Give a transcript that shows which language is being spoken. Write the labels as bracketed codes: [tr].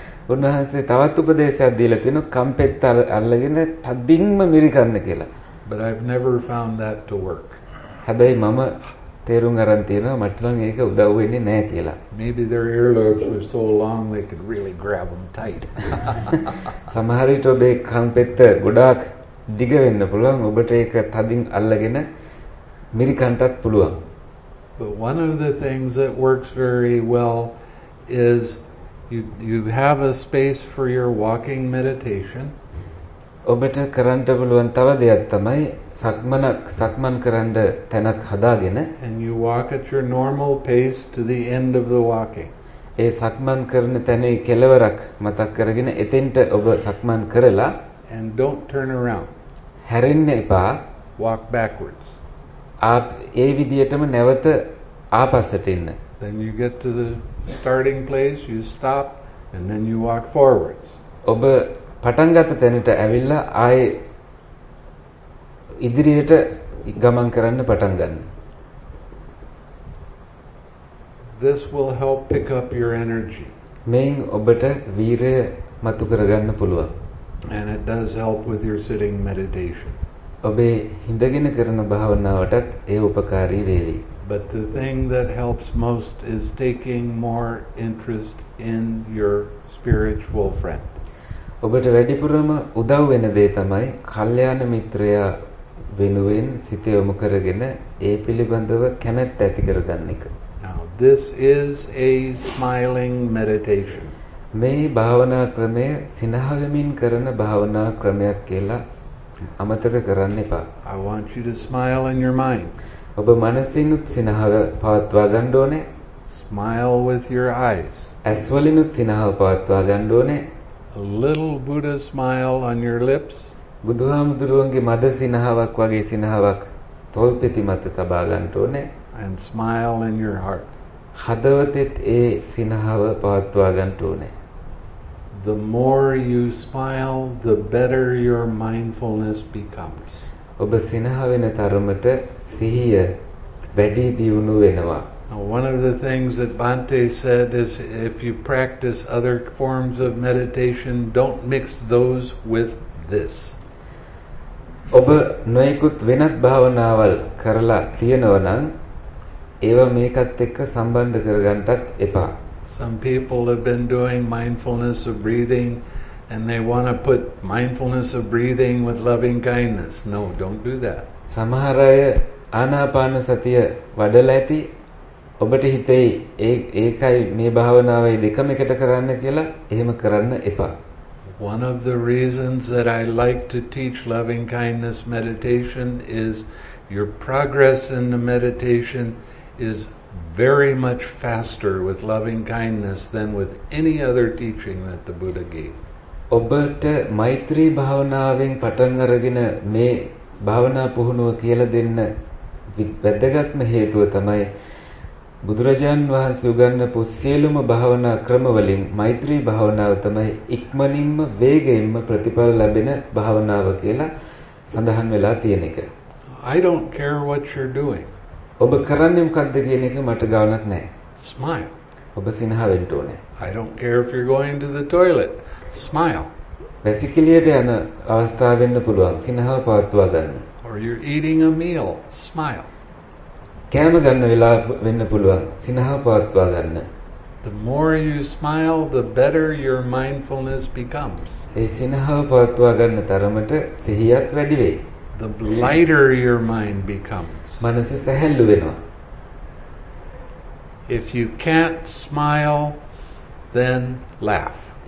[si] උන්වහන්සේ තවත් උපදේශයක් දීලා තිනවා කම්පෙත් අල්ලගෙන තදින්ම මිරිකන්න කියලා. [en] But I've never found that to work. [si] හැබැයි මම තේරුම් අරන් තියෙනවා මට නම් ඒක උදව් වෙන්නේ නැහැ කියලා. [en] Maybe their earlobes were so long they could really grab them tight. [si] සමහර විට ඔබේ කම්පෙත් ගොඩාක් දිග වෙන්න පුළුවන් ඔබට ඒක තදින් අල්ලගෙන මිරිකන්නත් පුළුවන්. [en] But one of the things that works very well is You have a space for your walking meditation. [si] ඔබට කරන්න පුළුවන් තව දෙයක් තමයි සක්මන් කරන්න තැනක් හදාගෙන. [en] And you walk at your normal pace to the end of the walking. [si] ඒ සක්මන් කරන තැනේ කෙළවරක් මතක් කරගෙන එතෙන්ට ඔබ සක්මන් කරලා. [en] And don't turn around. [si] හැරෙන්න එපා. [en] Walk backwards. [si] ආ ඒ විදිහටම නැවත ආපස්සට එන්න. [en] Then you get to the starting place, you stop, and then you walk forwards. [si] ඔබ පටන් ගත්ත තැනට ඇවිල්ලා ආයේ ඉදිරියට ගමන් කරන්න පටන් ගන්න. [en] This will help pick up your energy. [si] මේ ඔබට වීරය මතු කරගන්න පුළුවන්. [en] And it does help with your sitting meditation. [si] ඔබේ හිඳගෙන කරන භාවනාවටත් ඒ උපකාරී වේවි. [en] But the thing that helps most is taking more interest in your spiritual friend. [si] ඔබට වැඩිපුරම උදව් වෙන දේ තමයි කල්යාණ මිත්‍රයා වෙනුවෙන් සිත යොමු කරගෙන ඒ පිළිබඳව කැමැත්ත ඇති කරගන්න එක. [en] Now this is a smiling meditation. [si] මේ භාවනා ක්‍රමය සිනහවමින් කරන භාවනා ක්‍රමයක් කියලා අමතක කරන්න එපා. [en] I want you to smile in your mind. [si] ඔබ මනසින් සිනහව පවත්වා ගන්න ඕනේ. [en] Smile with your eyes. [si] ඇස් වලින් සිනහව පවත්වා ගන්න ඕනේ. [en] A little Buddha smile on your lips. [si] බුදුහාමුදුරුවන්ගේ මද සිනහවක් වගේ සිනහවක් තොල්පෙති මත තබා ගන්න ඕනේ. [en] And smile in your heart. [si] හදවතෙත් ඒ සිනහව පවත්වා ගන්න ඕනේ. [en] The more you smile, the better your mindfulness becomes. [si] ඔබ සිනහවෙන තරමට සිහිය වැඩි දියුණු වෙනවා. [en] Now one of the things that Bhante said is if you practice other forms of meditation, don't mix those with this. [si] ඔබ නොයෙකුත් වෙනත් භාවනාවල් කරලා තියෙනවා නම් ඒව මේකත් එක්ක සම්බන්ධ කරගන්නටත් එපා. [en] Some people have been doing mindfulness of breathing and they want to put mindfulness of breathing with loving kindness. No, don't do that. [si] සමහර අය ආනාපාන සතිය වඩලා ඇති ඔබට හිතේ ඒකයි මේ භාවනාවයි දෙකම එකට කරන්න කියලා එහෙම කරන්න එපා. [en] One of the reasons that I like to teach loving kindness meditation is your progress in the meditation is very much faster with loving kindness than with any other teaching that the Buddha gave. [si] ඔබට මෛත්‍රී භාවනාවෙන් පටන් අරගෙන මේ භාවනා පුහුණුව කියලා දෙන්න වැදගත්ම හේතුව තමයි බුදුරජාන් වහන්සේ උගන්වපු සියලුම භාවනා ක්‍රමවලින් මෛත්‍රී භාවනාව තමයි ඉක්මනින්ම වේගයෙන්ම ප්‍රතිඵල ලැබෙන භාවනාව කියලා සඳහන් වෙලා තියෙන එක. [en] I don't care what you're doing. [si] ඔබ කරන්නේ මොකද්ද කියන එක මට ගාණක් නැහැ. [en] Smile. [si] ඔබ සිනහවෙන්න ඕනේ. [en] I don't care if you're going to the toilet. Smile. [si] වැසිකිළියට යන අවස්ථාව වෙන්න පුළුවන්. සිනහව පවත්වා ගන්න. [en] Or you're eating a meal. Smile. [si] කෑම ගන්න වෙලාව වෙන්න පුළුවන් සිනහව පවත්වා ගන්න. [en] The more you smile, the better your mindfulness becomes. [si] ඒ සිනහව පවත්වා ගන්න තරමට සිහියත් වැඩි වෙයි. [en] The lighter your mind becomes. [si] මනස සැහැල්ලු වෙනවා. [en] If you can't smile, then laugh.